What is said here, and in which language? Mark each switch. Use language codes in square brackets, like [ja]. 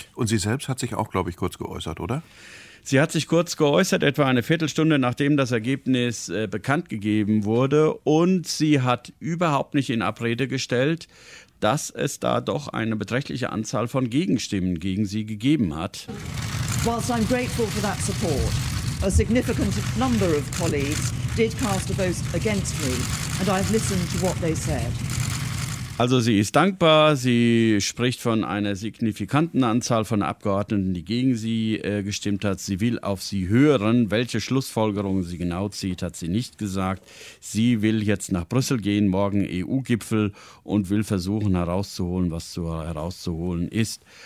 [de] Und sie selbst hat sich auch, glaube ich, kurz geäußert, oder? Sie hat sich kurz geäußert, etwa eine Viertelstunde, nachdem das Ergebnis bekannt gegeben wurde. Und sie hat überhaupt nicht in Abrede gestellt, dass es da doch eine beträchtliche Anzahl von Gegenstimmen gegen sie gegeben hat. [en] Whilst I'm grateful for that support, a significant number of colleagues did cast a vote against me, and I've listened to what they said. [de] Also sie ist dankbar, sie spricht von einer signifikanten Anzahl von Abgeordneten, die gegen sie gestimmt hat. Sie will auf sie hören. Welche Schlussfolgerungen sie genau zieht, hat sie nicht gesagt. Sie will jetzt nach Brüssel gehen, morgen EU-Gipfel, und will versuchen herauszuholen, was zu herauszuholen ist.